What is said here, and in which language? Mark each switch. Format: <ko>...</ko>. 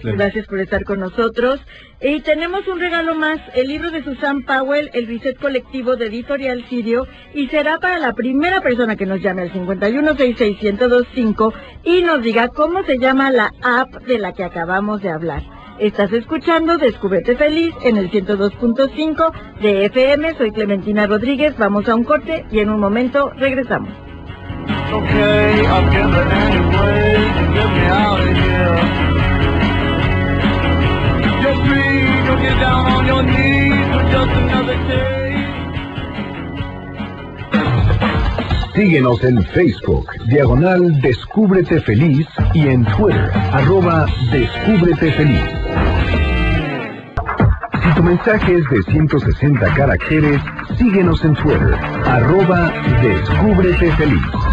<es>Gracias por estar con nosotros. Y tenemos un regalo más, el libro de Susan Powell, El Reset Colectivo, de Editorial Sirio, y será para la primera persona que nos llame al 5166125 y nos diga cómo se llama la app de la que acabamos de hablar. Estás escuchando Descúbrete Feliz en el 102.5 de FM. Soy Clementina Rodríguez. Vamos a un corte y en un momento regresamos.</es> <en>Okay, I'm gonna anyway, get me out of here. Just please don't get down on your knees for just another day.</en> <es>Síguenos en Facebook, / Descúbrete Feliz, y en Twitter, @ Descúbrete Feliz. Si tu mensaje es de 160 caracteres, síguenos en Twitter, @ Descúbrete Feliz.</es>